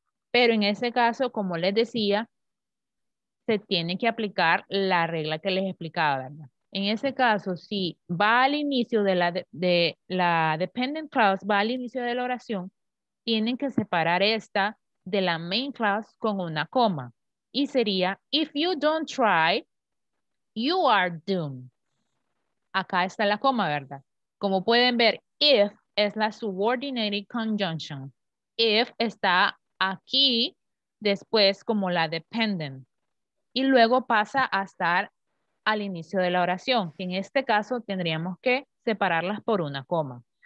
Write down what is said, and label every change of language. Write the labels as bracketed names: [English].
[Spanish] Pero en ese caso, como les decía, se tiene que aplicar la regla que les explicaba, ¿verdad? En ese caso, si va al inicio de la dependent clause, va al inicio de la oración, tienen que separar esta de la main clause con una coma. Y sería, [English] if you don't try, you are doomed. [Spanish] Acá está la coma, ¿verdad? Como pueden ver, if es la subordinated conjunction. If está aquí, después como la dependent. Y luego pasa a estar al inicio de la oración. En este caso, tendríamos que separarlas por una coma.